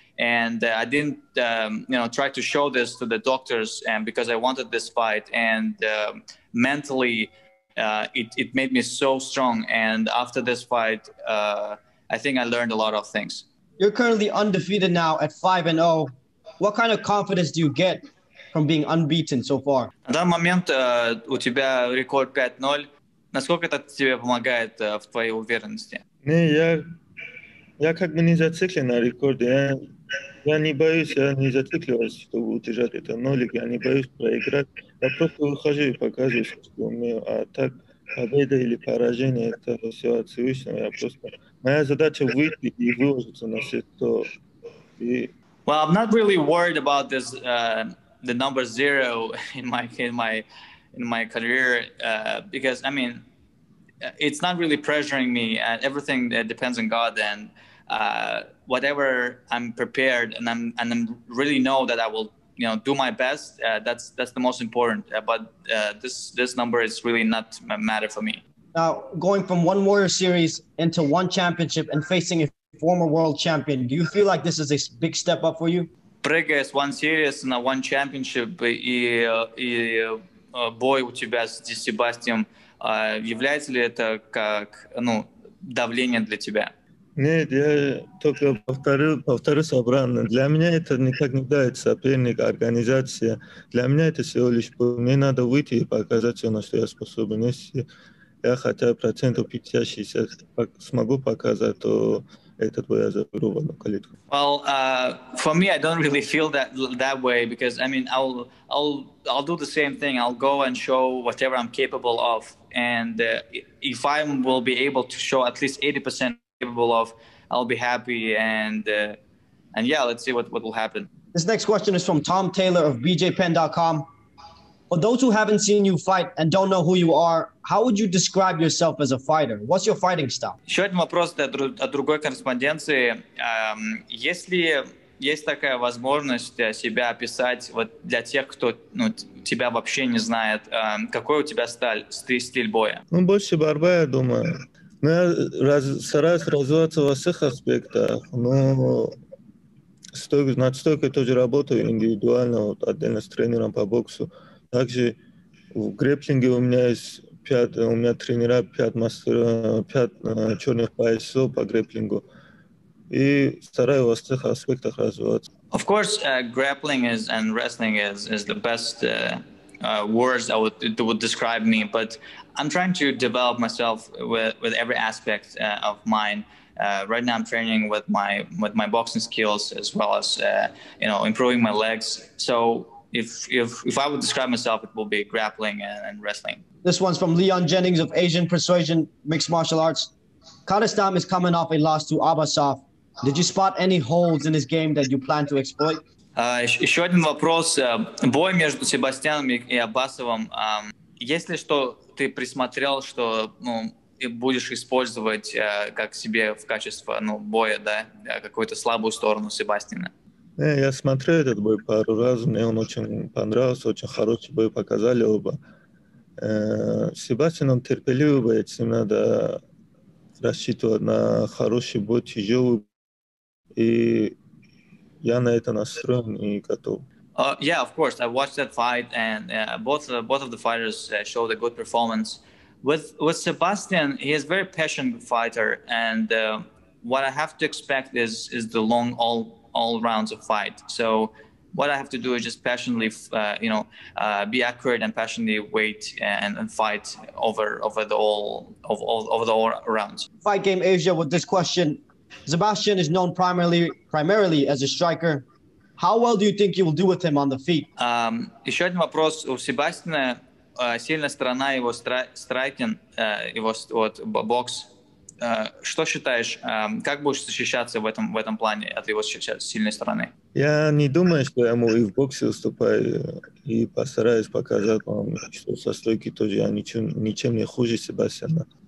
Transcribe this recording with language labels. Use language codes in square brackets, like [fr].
[en] And I didn't, try to show this to the doctors, and because I wanted this fight, and mentally, it made me so strong. And after this fight, I think I learned a lot of things. You're currently undefeated now at 5-0. What kind of confidence do you get from being unbeaten so far? [ru] На данный момент у тебя рекорд 5-0. Насколько это тебе помогает в твоей уверенности? Не, я как бы не зациклен на рекорде. Я не боюсь, я не зацикливаюсь, чтобы удержать этот нолик, я не боюсь проиграть. Я просто выхожу и показываю, что умею. А так, победа или поражение, это все от Всевышнего. Я просто... Моя задача выйти и выложиться на все то. И... [en] Well, I'm not really worried about this, the number zero in my career, because, I mean, it's not really pressuring me. Everything depends on God, and whatever I'm prepared, and I'm really know that I will, do my best. That's the most important. But this number is really not a matter for me. Now, going from One Warrior Series into One Championship and facing a former world champion, do you feel like this is a big step up for you? [ru] Прыгая с One Series на One Championship и бой у тебя с Ди Себастьем, является ли это как давление для тебя? Нет, я только повторю собрано. Для меня это никак не дает соперник, организация. Для меня это всего лишь... Мне надо выйти и показать все, на что я способен. Если я хотя бы 50-60% смогу показать, то этот бой я заберу в одну калитку. [en] Well, for me, I don't really feel that way, because, I mean, I'll do the same thing. I'll go and show whatever I'm capable of. And if I will be able to show at least 80%, capable of, I'll be happy, and let's see what will happen. This next question is from Tom Taylor of BJPenn.com. For those who haven't seen you fight and don't know who you are, how would you describe yourself as a fighter? What's your fighting style? [ru] Еще один вопрос от другой корреспонденции. Если есть такая возможность себя описать вот для тех, кто ну, тебя вообще не знает, какой у тебя стиль боя? Ну, больше борьба, я думаю. Ну, я стараюсь развиваться во всех аспектах, но над стойкой тоже работаю индивидуально, вот, отдельно с тренером по боксу. Также в грэпплинге у меня есть пять черных поясов по грэпплингу. И стараюсь во всех аспектах развиваться. [en] Of course, grappling is and wrestling is the best words that would describe me, but I'm trying to develop myself with every aspect of mine. Right now, I'm training with my boxing skills as well as improving my legs. So if I would describe myself, it will be grappling and wrestling. This one's from Leon Jennings of Asian Persuasion Mixed Martial Arts. Kadastam is coming off a loss to Abasov. Did you spot any holes in his game that you plan to exploit? [ru] Еще один вопрос. Бой между Себастьяном и Абасовым. Есть ли что ты присмотрел, что ну, будешь использовать как себе в качестве ну, боя, да? Какую-то слабую сторону Себастьяна? Я смотрел этот бой пару раз. Мне он очень понравился. Очень хороший бой показали оба. Себастьян, он терпеливый боец. Им надо рассчитывать на хороший бой, тяжелый. И я на это настроен и готов. [en] Yeah, of course. I watched that fight, and both of the fighters showed a good performance. With Sebastian, he is a very passionate fighter, and what I have to expect is the long all rounds of fight. So what I have to do is just passionately, be accurate and passionately wait and fight over the all rounds. Fight Game Asia with this question. Sebastian is known primarily as a striker. How well do you think you will do with him on the feet? [ru] Еще один вопрос. У Себастьяна сильная сторона его страйкинг, его вот бокс. Что считаешь, как будешь защищаться в этом плане от его сильной стороны? Я не думаю, что я ему и в боксе уступаю, и постараюсь показать вам, что со стойки тоже я ничем не хуже Себастьяна.